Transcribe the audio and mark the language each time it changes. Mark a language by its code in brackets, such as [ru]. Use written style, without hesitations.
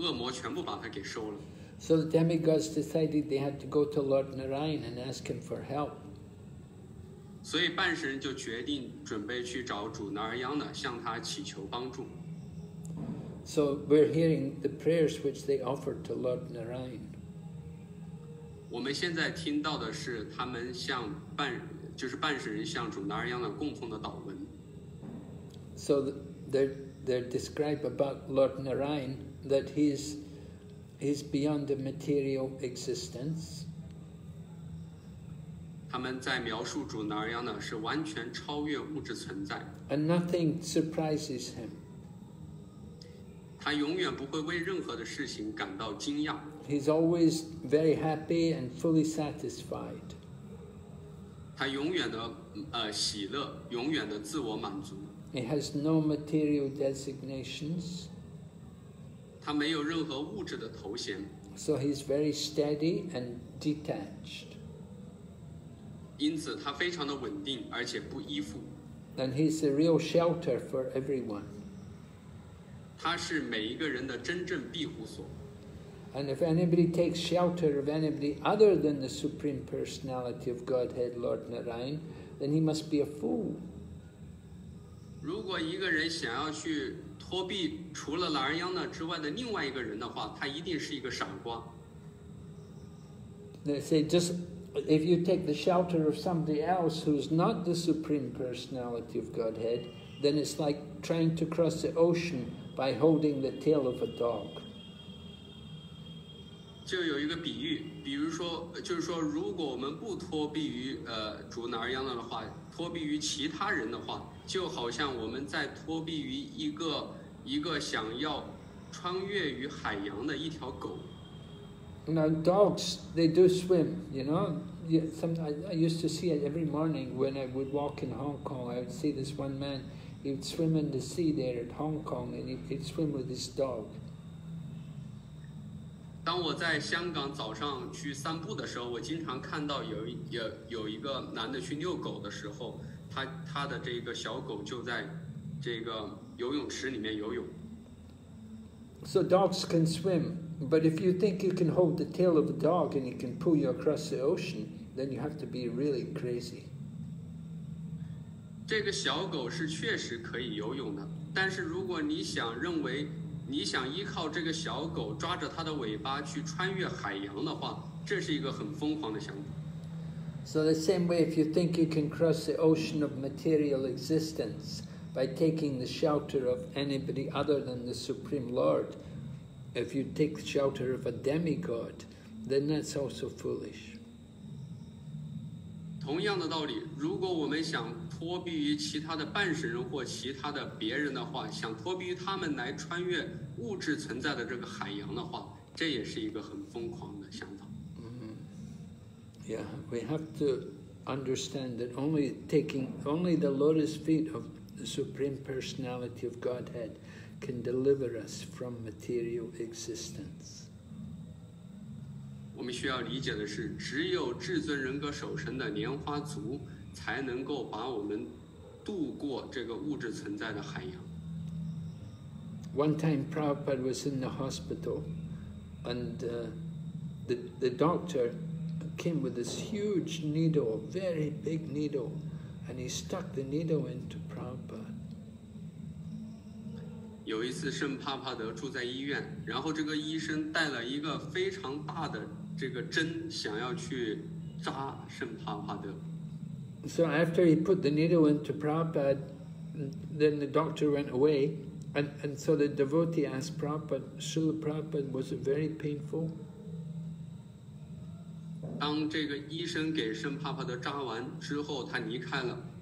[en] So the demigods decided they had to go to Lord Narayan and ask him for help. So the [zh] 半神 就决定准备去找主拿尔央的，向他祈求帮助。 [en] So we're hearing the prayers which they offered to Lord Narayan. [zh] 我们现在听到的是他们向半，就是半神人向主拿尔央的供奉的祷文。 [en] So they're described about Lord Narayan, that he's beyond the material existence. [zh] 他们在描述主拿尔扬呢，是完全超越物质存在。 [en] And nothing surprises him. [zh] 他永远不会为任何的事情感到惊讶。 [en] He's always very happy and fully satisfied. [zh] 他永远的喜乐，永远的自我满足。 [en] He has no material designations. [zh] 他没有任何物质的头衔。 [en] So he's very steady and detached. [zh] 因此他非常的稳定，而且不依附。 [en] And he's a real shelter for everyone. [zh] 他是每一个人的真正庇护所。 [en] And if anybody takes shelter of anybody other than the Supreme Personality of Godhead, Lord Narayan, then he must be a fool. [zh] 如果一个人想要去托庇除了拉尔央纳之外的另外一个人的话，他一定是一个傻瓜。 [en] They say just if you take the shelter of somebody else who's not the Supreme Personality of Godhead, then it's like trying to cross the ocean by holding the tail of a dog. [zh] 就有一个比喻，比如说，就是说，如果我们不托庇于主拿尔扬纳的话，托庇于其他人的话，就好像我们在托庇于一个想要穿越于海洋的一条狗。 [en] Now dogs, they do swim, you know. I used to see it every morning when I would walk in Hong Kong. I would see this one man. He would swim in the sea there at Hong Kong, and he could swim with his dog. [zh] 当我在香港早上去散步的时候，我经常看到有一个男的去遛狗的时候，他的这个小狗就在这个游泳池里面游泳。 [en] So dogs can swim, but if you think you can hold the tail of a dog and it can pull you across the ocean, then you have to be really crazy. [zh] 这个小狗是确实可以游泳的，但是如果你想认为你想依靠这个小狗抓着它的尾巴去穿越海洋的话，这是一个很疯狂的想法。 [en] So the same way, if you think you can cross the ocean of material existence by taking the shelter of anybody other than the Supreme Lord, if you take the shelter of a demigod, then that's also foolish. [zh] 同样的道理，如果我们想托庇于其他的半神人或其他的别人的话，想托庇于他们来穿越物质存在的这个海洋的话，这也是一个很疯狂的想法。 [en] Yeah, we have to understand that only the lotus feet of the Supreme Personality of Godhead can deliver us from material existence. [zh] 我们需要理解的是，只有至尊人格首身的莲花足才能够把我们渡过这个物质存在的海洋。 [en] One time, Prabhupada was in the hospital, and the doctor came with this huge needle, a very big needle, and he stuck the needle into Prabhupada. [zh] 有一次，圣帕帕德住在医院，然后这个医生带了一个非常大的这个针，想要去扎圣帕帕德。 [en] So after he put the needle into Prabhupada, then the doctor went away. And so the devotee asked Prabhupada, Srila Prabhupada, was it very painful? [zh] 当这个医生给圣帕帕德扎完之后，他离开了。